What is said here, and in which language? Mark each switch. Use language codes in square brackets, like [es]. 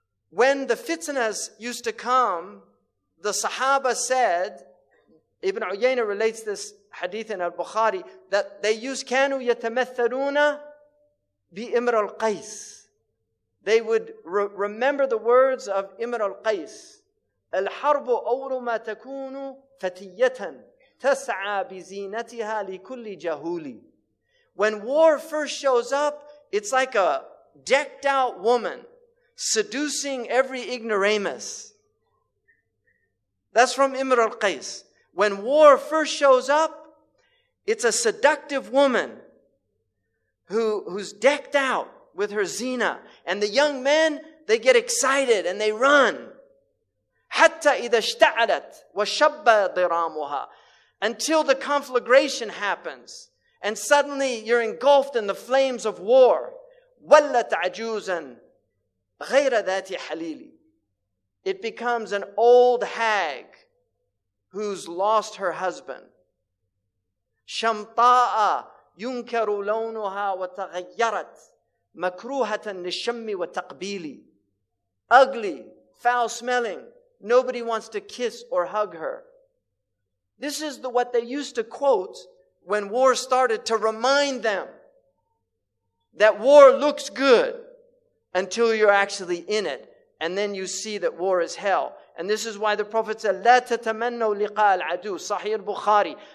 [en] When the fitnas used to come, the Sahaba said, Ibn Uyayna relates this hadith in al-Bukhari, that they used [ar] kanu yatamathaluna [en] bi Imr al-Qais. They would remember the words of Imr al-Qais. [ar] الحرب أول ما تكون فتية تسعى بزينتها لكل جهول. [en] When war first shows up, it's like a decked out woman seducing every ignoramus. That's from Imr al-Qais. When war first shows up, it's a seductive woman who's decked out with her zina. And the young men, they get excited and they run. [ar] حَتَّى إِذَا اشْتَعَلَتْ وَشَبَّ ضِرَامُهَا. [en] Until the conflagration happens, and suddenly you're engulfed in the flames of war. [ar] وَلَّتْ عَجُوزًا غَيْرَ ذَاتِ حَلِيلِ. [en] It becomes an old hag who's lost her husband. [ar] شَمْطَاءَ يُنْكَرُ لَوْنُهَا وَتَغَيَّرَتْ مَكْرُوهَةً لِشَمِّ وَتَقْبِيلِ. [en] Ugly, foul-smelling, Nobody wants to kiss or hug her. This is what they used to quote when war started to remind them that war looks good until you're actually in it. And then you see that war is hell. And this is why the Prophet said, [ar] لَا تَتَمَنَّوا لِقَاءَ الْعَدُوْ [en] Sahih al-Bukhari.